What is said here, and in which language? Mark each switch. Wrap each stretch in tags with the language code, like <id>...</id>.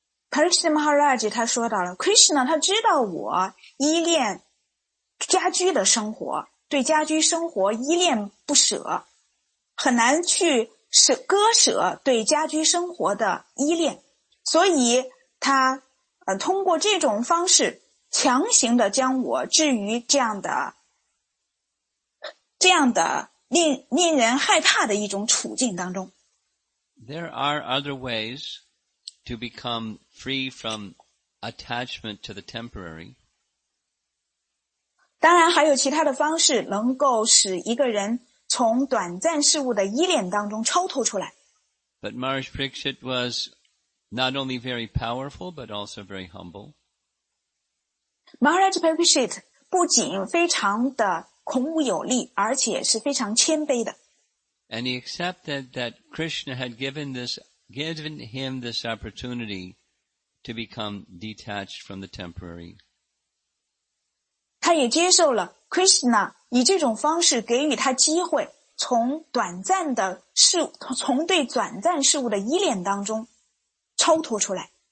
<zh>Pariksit Maharaj 他说到了 ，Krishna 他知道我依恋家居的生活，对家居生活依恋不舍，很难去割舍对家居生活的依恋，所以他通过这种方式强行的将我置于这样的 令人害怕的一种处境当中。</zh> <en>There are other ways to become free from attachment to the temporary.</en> <zh>当然还有其他的方式能够使一个人从短暂事物的依恋当中超脱出来。</zh> <en>But Maharaj Pariksit was not only very powerful, but also very humble.</en> <zh>Maharaj Pariksit 不仅非常的孔武有力，而且是非常谦卑的。</zh> <en>And he accepted that Krishna had given him this opportunity to become detached from the temporary.</en> <zh>他也接受了 Krishna 以这种方式给予他机会，从对短暂事物的依恋当中超脱出来。</zh>